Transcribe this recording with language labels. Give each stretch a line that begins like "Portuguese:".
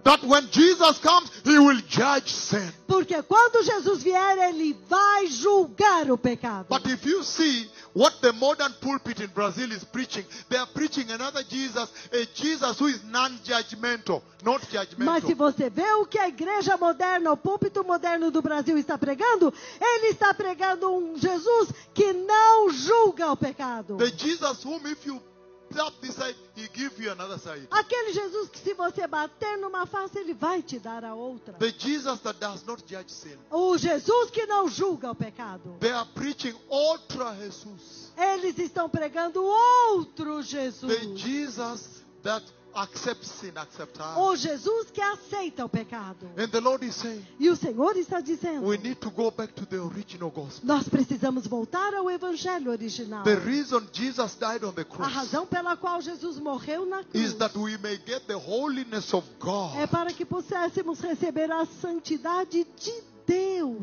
English: That when Jesus comes, he will judge sin.
Portuguese: Porque quando Jesus vier, ele vai julgar o pecado.
English: But if you see what the modern pulpit in Brazil is preaching, they are preaching another Jesus, a Jesus who is non-judgmental, not judgmental.
Portuguese: Mas se você vê o que a igreja moderna, o púlpito moderno do Brasil está pregando, ele está pregando um Jesus que não julga o pecado.
English: The Jesus whom if you tap this side, he give you another side.
Portuguese: Aquele Jesus que se você bater numa face, ele vai te dar a outra.
English: The Jesus that does not judge sin.
Portuguese: O Jesus que não julga o pecado.
English: They are preaching
Portuguese: outro
English: Jesus.
Portuguese: Eles estão pregando outro Jesus.
English: The Jesus that accepts sin, accept us.
Portuguese: O Jesus que aceita o pecado.
English: And the Lord is saying,
Portuguese: e o Senhor está dizendo,
English: we need to go back to the original gospel.
Portuguese: Nós precisamos voltar ao evangelho original.
English: The reason Jesus died on the cross,
Portuguese: a razão pela qual Jesus morreu na cruz,
English: is that we may get the holiness of God.
Portuguese: É para que pudéssemos receber a santidade de Deus.